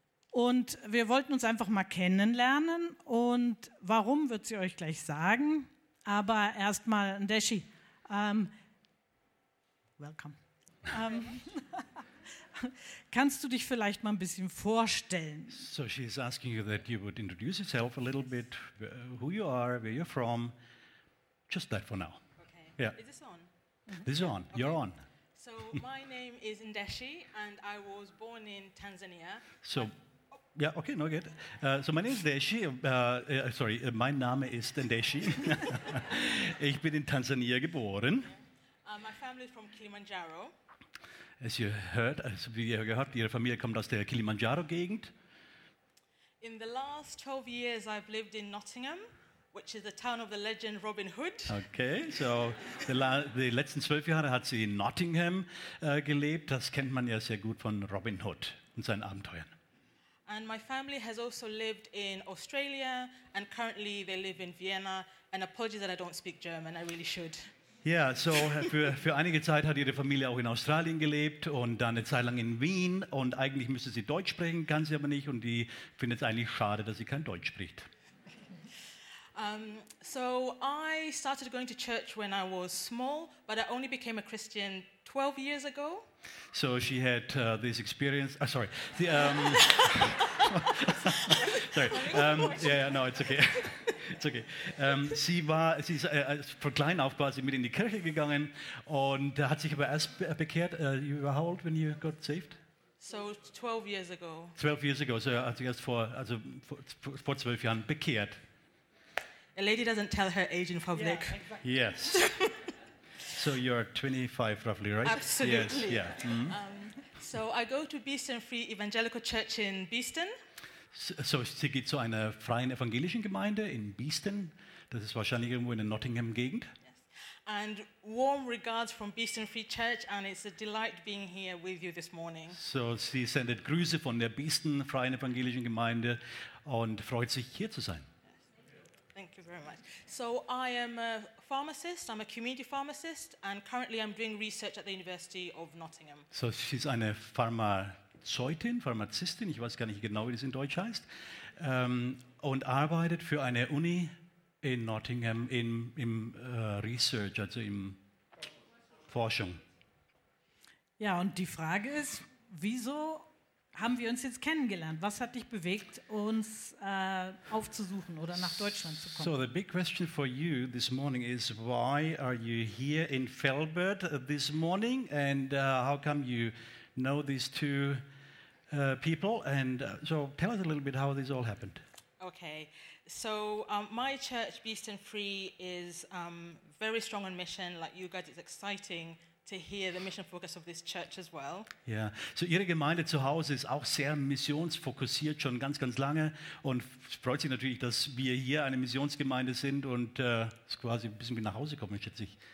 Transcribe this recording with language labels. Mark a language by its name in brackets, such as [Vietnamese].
[German] Und wir wollten uns einfach mal kennenlernen und warum, wird sie euch gleich sagen. Aber erstmal, Dashi, welcome. kannst du dich vielleicht mal ein bisschen vorstellen? [English] So she is asking you that you would introduce yourself a little bit, who you are, where you're from, just that for now. Okay, yeah. Is this on? Mm-hmm. This is on, okay. You're on. So my name is Ndeshi and I was born in Tanzania. So... Yeah, okay, no good. So my name is Deshi. [German] Mein Name ist Deshi. Ich bin in Tansania geboren. [English] My family is from Kilimanjaro. As you heard, [German] Ihre Familie kommt aus der Kilimanjaro-Gegend. [English] In the last 12 years, I've lived in Nottingham, which is the town of the legend Robin Hood. Okay, so the [German] letzten 12 Jahre hat sie in Nottingham gelebt. Das kennt man ja sehr gut von Robin Hood und seinen Abenteuern. [English] And my family has also lived in Australia, and currently they live in Vienna. And apologies that I don't speak German, I really should. [German] Yeah, so für einige Zeit hat ihre Familie auch in Australien gelebt und dann eine Zeit lang in Wien. Und eigentlich müsste sie Deutsch sprechen, kann sie aber nicht. Und die findet es eigentlich schade, dass sie kein Deutsch spricht. [English] So I started going to church when I was small, but I only became a Christian 12 years ago. So she had this experience. [German] Sie ist von klein auf quasi mit in die Kirche gegangen und hat sich aber erst bekehrt. [English] You were how old when you got saved? So 12 years ago. 12 years ago. [German] So hat sich erst vor 12 Jahren bekehrt. [English] A lady doesn't tell her age in public. Yeah, exactly. Yes. So you're 25 roughly, right? Absolutely. Yes, yeah. Mm-hmm. So I go to Beeston Free Evangelical Church in Beeston. [German] So sie geht zu einer freien evangelischen Gemeinde in Beeston. Das ist wahrscheinlich irgendwo in der Nottingham-Gegend. [English] And warm regards from Beeston Free Church, and it's a delight being here with you this morning. [German] So sie sendet Grüße von der Beeston freien evangelischen Gemeinde und freut sich, hier zu sein. [English] Thank you very much. So I am a pharmacist, I'm a community pharmacist, and currently I'm doing research at the University of Nottingham. So she's [German] eine Pharmazeutin, Pharmazistin, ich weiß gar nicht genau, wie das in Deutsch heißt, und arbeitet für eine Uni in Nottingham im Research, also im Forschung. Ja, und die Frage ist, wieso haben wir uns jetzt kennengelernt? Was hat dich bewegt, uns aufzusuchen oder nach Deutschland zu kommen? [English] So the big question for you this morning is, why are you here in Velbert this morning, and how come you know these two people? And so tell us a little bit how this all happened. Okay, so my church, Beast and Free, is very strong on mission. Like you guys, it's exciting to hear the mission focus of this church as well. [German] Yeah, so Ihre Gemeinde zu Hause ist auch sehr missionsfokussiert schon ganz, ganz lange, und es freut sich natürlich, dass wir hier eine Missionsgemeinde sind und es quasi ein bisschen wie nach Hause kommen, schätze ich.